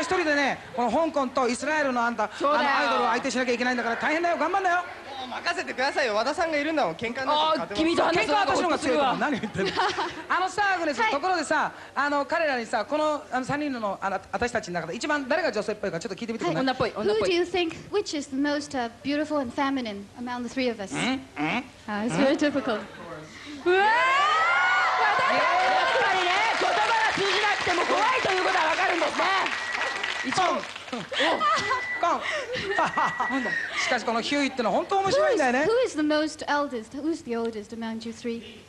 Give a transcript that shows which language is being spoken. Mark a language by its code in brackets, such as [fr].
[ja] 一人でね、この香港とイスラエルのあんた、そうだよ、あのアイドルを相手しなきゃいけないんだから大変だよ。頑張んなよ。任せてくださいよ、和田さんがいるんだもん。喧嘩になっても勝てます。喧嘩は私の方が強いと思う。何言ってんの。あのさ、グレス、はい、ところでさ、彼らにさ、この3人 の、 私たちの中で一番誰が女性っぽいかちょっと聞いてみてください。 女っぽい、女っぽい。 [en] Who do you think, which is the most beautiful and feminine among the three of us? It's very typical. [ja] うわー、やっぱりね、言葉が通じなくても怖いということはわかるんですね。一番カン。しかしこのヒューイってのは本当面白いんだよね。 [en] Who is the most eldest? Who's the oldest among you three?